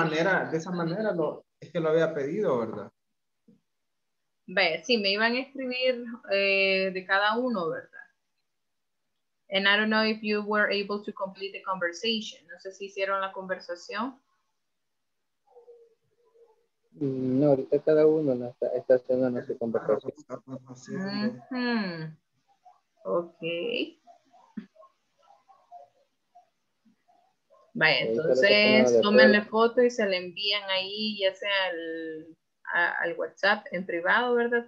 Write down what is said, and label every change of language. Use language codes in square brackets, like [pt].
[es] Manera, de esa manera lo es que lo había pedido, ¿verdad? Ve, sí, me iban a escribir de cada uno, ¿verdad? [en] And I don't know if you were able to complete the conversation. [es] No sé si hicieron la conversación. No, ahorita cada uno está haciendo nuestra conversación. Ok. Vaya, entonces tómenle foto y se le envían ahí, ya sea al WhatsApp en privado, ¿verdad?